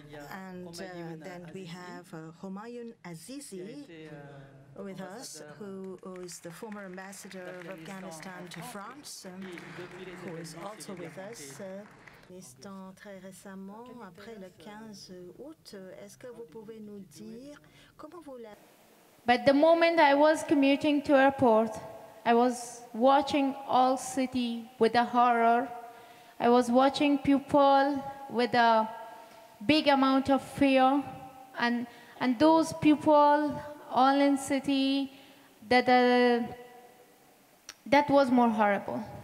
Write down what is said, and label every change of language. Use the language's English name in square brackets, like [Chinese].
[English] And then we have Humayun Azizi with us, who is the former ambassador of Afghanistan to France, who is also with us. [French] Afghanistan, très récemment, après le 15 août, est-ce que vous pouvez nous dire comment vous l'avez... [English] But the moment I was commuting to airport, I was watching all city with a horror. I was watching people with a big amount of fear, and those people all in city, that was more horrible.